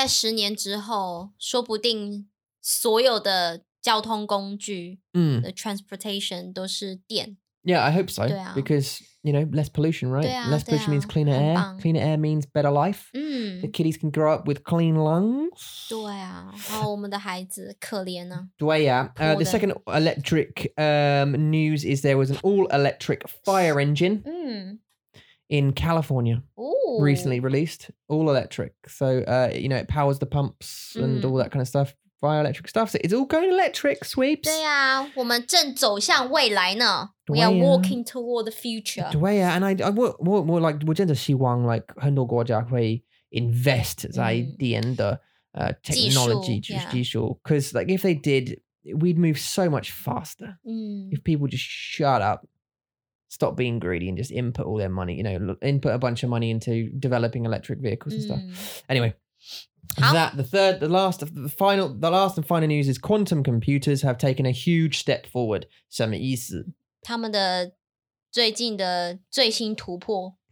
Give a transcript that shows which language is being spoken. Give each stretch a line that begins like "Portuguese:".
Chinese: 在十年之后说不定所有的交通工具
English: the transportation
Chinese: 都是电
English: yeah I hope so because you know less pollution right
Chinese: 对啊,
English: less pollution
Chinese: 对啊,
English: means cleaner air cleaner air means better life the kiddies can grow up with clean lungs
Chinese: 对啊然后我们的孩子可怜啊对啊
English: the second electric news is there was an all electric fire engine in California recently released all electric so you know it powers the pumps and all that kind of stuff fire electric stuff so it's all going electric sweeps
Chinese: 对啊我们正走向未来呢
English: We are walking toward the future. 对啊, and I more like
Chinese: 我真的希望
English: like
Chinese: 很多国家会
English: invest
Chinese: 在电的
English: technology
Chinese: 技术
English: because like if they did, we'd move so much faster. If people just shut up, stop being greedy and just input all their money, you know, input a bunch of money into developing electric vehicles and stuff. Anyway, that the last and final news is quantum computers have taken a huge step forward.
Chinese: 什么意思他们的最近的最新突破